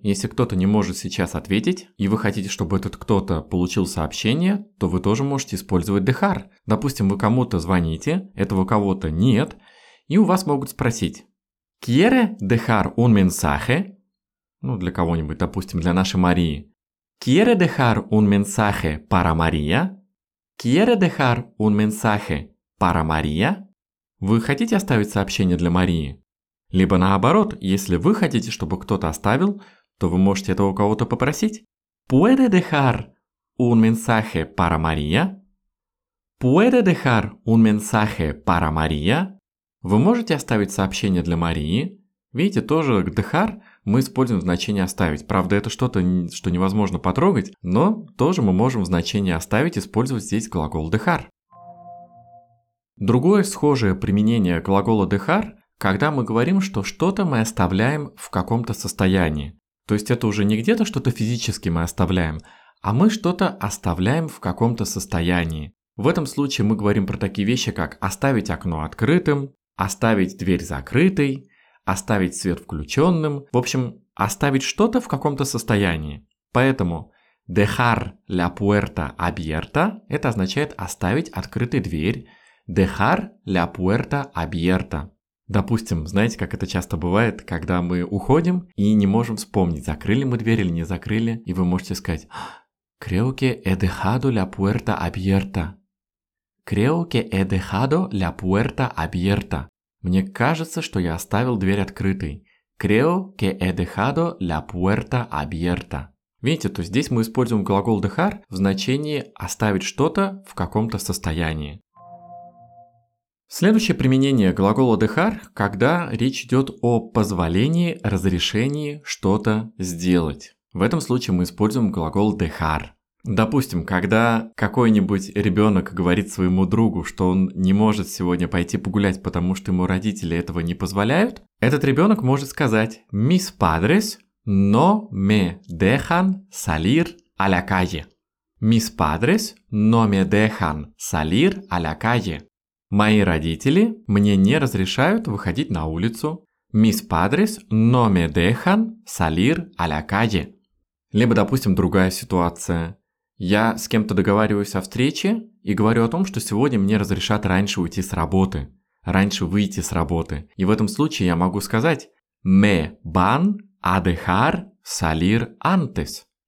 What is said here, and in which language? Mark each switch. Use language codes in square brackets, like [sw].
[ru] Если кто-то не может сейчас ответить, и вы хотите, чтобы этот кто-то получил сообщение, то вы тоже можете использовать dejar. Допустим, вы кому-то звоните, этого кого-то нет, и у вас могут спросить [es] «Quiere dejar un mensaje?» [ru] Ну, для кого-нибудь, допустим, для нашей Марии. [es] «Quiere dejar un mensaje para María?» ¿Quiere dejar un mensaje para María? [ru] Вы хотите оставить сообщение для Марии? Либо наоборот, если вы хотите, чтобы кто-то оставил, то вы можете этого у кого-то попросить. [es] ¿Puede dejar un mensaje para María? ¿Puede dejar un mensaje para María? [ru] Вы можете оставить сообщение для Марии? Видите, тоже dejar мы используем значение «оставить». Правда, это что-то, что невозможно потрогать, но тоже мы можем значение «оставить» использовать здесь глагол «dejar». Другое схожее применение глагола «dejar», когда мы говорим, что что-то мы оставляем в каком-то состоянии. То есть это уже не где-то что-то физически мы оставляем, а мы что-то оставляем в каком-то состоянии. В этом случае мы говорим про такие вещи, как «оставить окно открытым», «оставить дверь закрытой», оставить свет включенным, в общем, оставить что-то в каком-то состоянии. Поэтому [es] dejar la puerta abierta [ru] – это означает оставить открытой дверь. [es] Dejar la puerta abierta. [ru] Допустим, знаете, как это часто бывает, когда мы уходим и не можем вспомнить, закрыли мы дверь или не закрыли, и вы можете сказать [es] «Creo que he dejado la puerta abierta». «Creo que he dejado la puerta abierta». [ru] Мне кажется, что я оставил дверь открытой. [es] Creo que he dejado la puerta abierta. [ru] Видите, то здесь мы используем глагол dejar в значении оставить что-то в каком-то состоянии. Следующее применение глагола dejar, когда речь идет о позволении, разрешении что-то сделать. В этом случае мы используем глагол dejar. Допустим, когда какой-нибудь ребенок говорит своему другу, что он не может сегодня пойти погулять, потому что ему родители этого не позволяют, этот ребенок может сказать [es] «Mis padres no me dejan salir a la calle». «Mis padres no me dejan salir a la calle». [ru] «Мои родители мне не разрешают выходить на улицу». [es] «Mis padres no me dejan salir a la calle». [ru] Либо, допустим, другая ситуация. Я с кем-то договариваюсь о встрече и говорю о том, что сегодня мне разрешат раньше уйти с работы. Раньше выйти с работы. И в этом случае я могу сказать [es] «Me van a dejar salir antes».